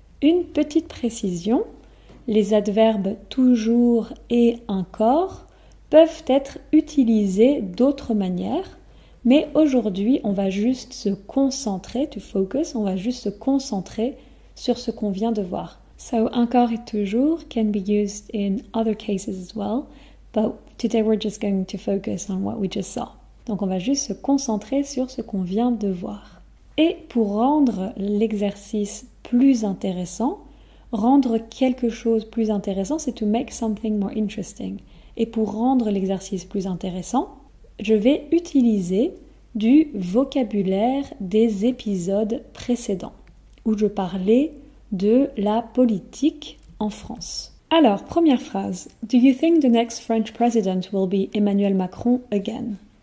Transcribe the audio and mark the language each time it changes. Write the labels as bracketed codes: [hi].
[fr] Une petite précision, les adverbes toujours et encore peuvent être utilisés d'autres manières. Mais aujourd'hui, on va juste se concentrer, [en] to focus, [fr] on va juste se concentrer sur ce qu'on vient de voir. [en] So, encore et toujours can be used in other cases as well, but today we're just going to focus on what we just saw. [fr] Donc, on va juste se concentrer sur ce qu'on vient de voir. Et pour rendre l'exercice plus intéressant, rendre quelque chose plus intéressant, c'est [en] to make something more interesting. [fr] Et pour rendre l'exercice plus intéressant, je vais utiliser du vocabulaire des épisodes précédents, où je parlais de la politique en France. Alors, première phrase. [en] Do you think the next French president will be Emmanuel Macron again?